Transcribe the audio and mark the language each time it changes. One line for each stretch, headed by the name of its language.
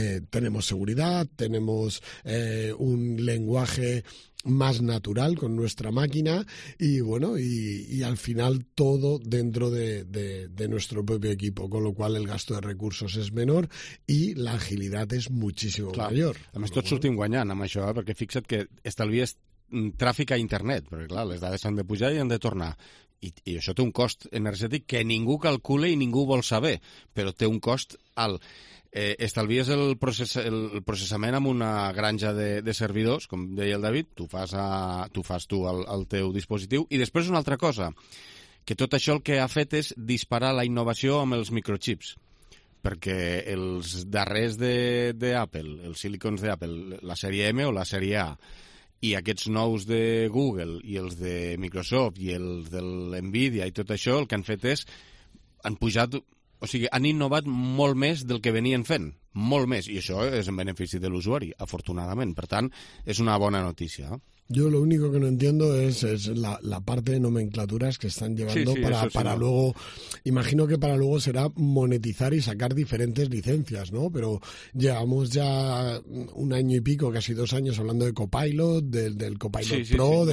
Spanish: tenemos seguridad, tenemos un lenguaje más natural con nuestra máquina y, bueno, y al final todo dentro de nuestro propio equipo, con lo cual el gasto de recursos es menor y la agilidad es muchísimo mayor.
Catalan: A més, tots sortim guanyant amb això, perquè fixa't que estalvies tràfic a internet, perquè clar, les dades han de pujar i han de tornar. I això té un cost energètic que ningú calcula i ningú vol saber, però té un cost alt. Estalvies el processament amb una granja de servidors, com deia el David, tu fas el teu dispositiu. I després una altra cosa, que tot això el que ha fet és disparar la innovació amb els microchips. Perquè els darrers de Apple, els silicons d'Apple, la sèrie M o la sèrie A, i aquests nous de Google i els de Microsoft i els de l'Nvidia i tot això, el que han fet és han pujat, o sigui, han innovat molt més del que venien fent, molt més, i això és en benefici de l'usuari, afortunadament. Per tant, és una bona notícia.
Spanish: Yo lo único que no entiendo es la parte de nomenclaturas que están llevando luego, imagino que para luego será monetizar y sacar diferentes licencias, ¿no? Pero llevamos ya un año y pico, casi dos años, hablando de Copilot, del Copilot Pro.